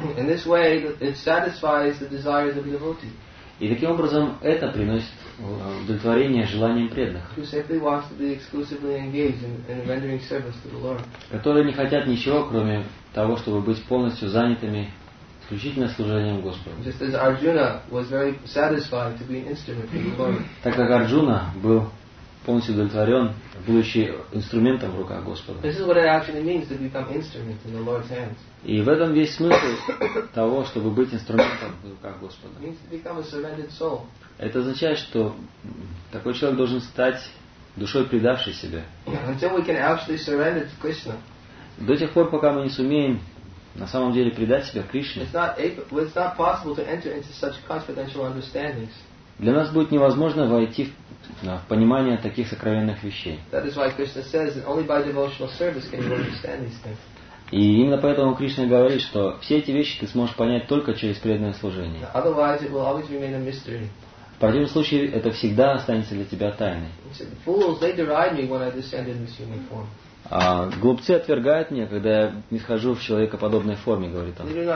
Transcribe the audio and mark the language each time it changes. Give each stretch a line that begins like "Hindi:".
English: In this way, it satisfies the desires of the devotee.
Russian: И таким образом это приносит удовлетворение желаниям преданных,
English: who simply wants to be exclusively engaged in rendering service to the Lord.
Russian: Которые не хотят ничего, кроме того, чтобы быть полностью занятыми исключительно служением Господу.
English: Just as Arjuna was very satisfied to be an instrument for the Lord.
Russian: Так как Арджуна был полностью удовлетворен, будучи инструментом в руках Господа.
English: This is what it actually means to become instrument in the Lord's hands.
Russian: И в этом весь смысл того, чтобы быть инструментом в руках Господа.
English: It means to become a surrendered soul.
Russian: Это означает, что такой человек должен стать душой, предавшей себя.
English: Until we can actually surrender to Krishna.
Russian: До тех пор, пока мы не сумеем на самом деле предать себя Кришне.
English: It's not possible to enter into such confidential understandings.
Russian: Для нас будет невозможно войти в понимание таких сокровенных вещей.
English: That is why Krishna says that only by devotional service can you understand these things.
Russian: И именно поэтому Кришна говорит, что все эти вещи ты сможешь понять только через преданное служение.
English: Otherwise, it will always remain a mystery.
Russian: В противном случае это всегда останется для тебя тайной.
English: Fools, they deride me when I descend in this human form.
Russian: А глупцы отвергают меня, когда я не схожу в человекоподобной форме, говорит он.